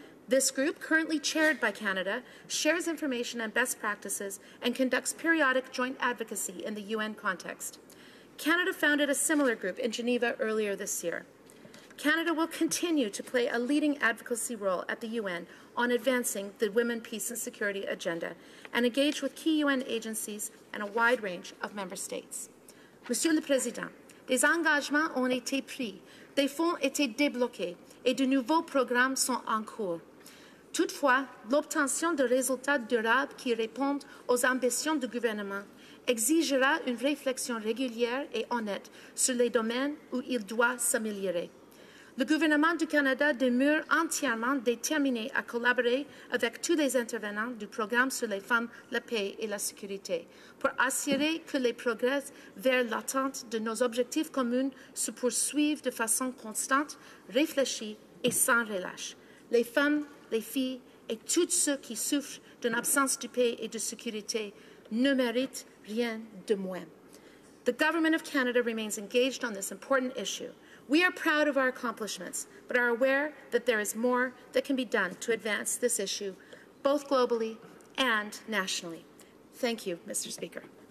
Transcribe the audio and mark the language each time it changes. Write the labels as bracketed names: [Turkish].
[English] This group, currently chaired by Canada, shares information and best practices and conducts periodic joint advocacy in the UN context. Canada founded a similar group in Geneva earlier this year. Canada will continue to play a leading advocacy role at the UN on advancing the Women, Peace and Security agenda and engage with key UN agencies and a wide range of member states. [French] Monsieur le Président, des engagements ont été pris, des fonds ont été débloqués et de nouveaux programmes sont en cours. Toutefois, l'obtention de résultats durables qui répondent aux ambitions du gouvernement exigera une réflexion régulière et honnête sur les domaines où il doit s'améliorer. Le gouvernement du Canada demeure entièrement déterminé à collaborer avec tous les intervenants du programme sur les femmes, la paix et la sécurité pour assurer que les progrès vers l'atteinte de nos objectifs communs se poursuivent de façon constante, réfléchie et sans relâche. Les femmes, les filles et tous ceux qui souffrent d'une absence de paix et de sécurité ne méritent rien de moins. [English] The Government of Canada remains engaged on this important issue. We are proud of our accomplishments, but are aware that there is more that can be done to advance this issue, both globally and nationally. Thank you, Mr. Speaker.